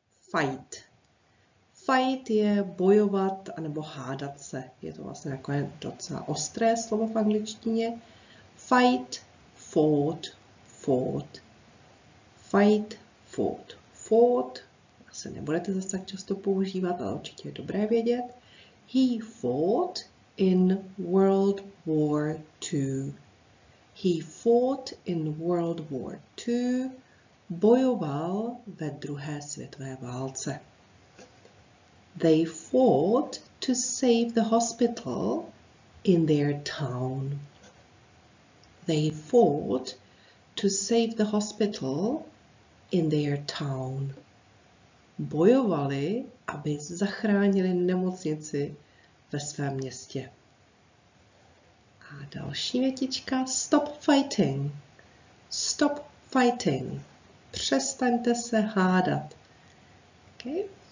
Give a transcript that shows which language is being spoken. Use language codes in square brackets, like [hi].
[cs] Fight. Fight je bojovat anebo hádat se. Je to vlastně jako docela ostré slovo v angličtině. [en] Fight, fought, fought. Fight, fought, fought. [cs] Asi nebudete zase tak často používat, ale určitě je dobré vědět. [en] He fought in World War II. He fought in World War II. [cs] Bojoval ve druhé světové válce. [en] They fought to save the hospital in their town. They fought to save the hospital in their town. [cs] Bojovali, aby zachránili nemocnici ve svém městě. A další větička. [en] Stop fighting. Stop fighting. [cs] Přestaňte se hádat. Okay?